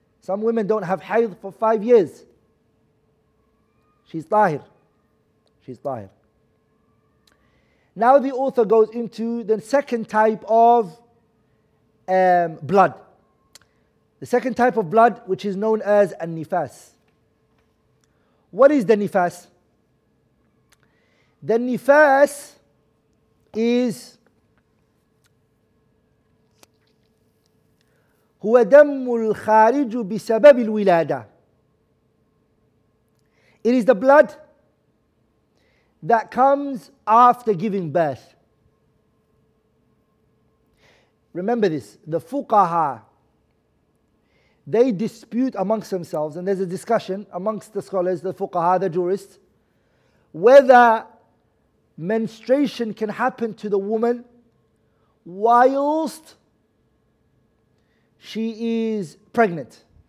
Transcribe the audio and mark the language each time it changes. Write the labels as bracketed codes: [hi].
[en] Some women don't have hayd for 5 years. She's tahir. She's tahir. Now the author goes into the second type of blood. The second type of blood, which is known as an-nifas. What is the nifas? The nifas is [ar] هو دم الخارج بسبب الولادة. [en] It is the blood that comes after giving birth. Remember this, the fuqaha, they dispute amongst themselves, and there's a discussion amongst the scholars, the fuqaha, the jurists, whether menstruation can happen to the woman whilst she is pregnant.